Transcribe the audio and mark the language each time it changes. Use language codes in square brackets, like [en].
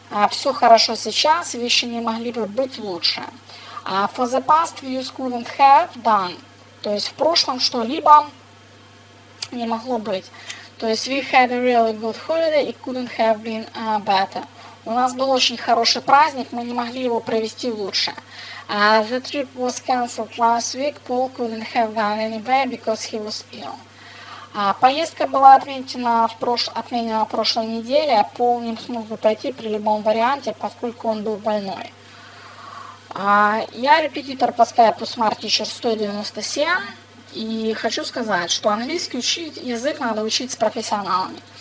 [ru] Все хорошо сейчас, вещи не могли бы быть лучше. [en] For the past, we couldn't have done. [ru] То есть в прошлом что-либо не могло быть. То есть [en] we had a really good holiday, it couldn't have been better. [ru] У нас был очень хороший праздник, мы не могли его провести лучше. [en] The trip was cancelled last week. Paul couldn't have gone anywhere because he was ill. [ru] Поездка была отменена прошлой неделе. Пол не смог бы пойти при любом варианте, поскольку он был больной. Я репетитор по Skype Smart Teacher 197. И хочу сказать, что английский учить язык надо учить с профессионалами.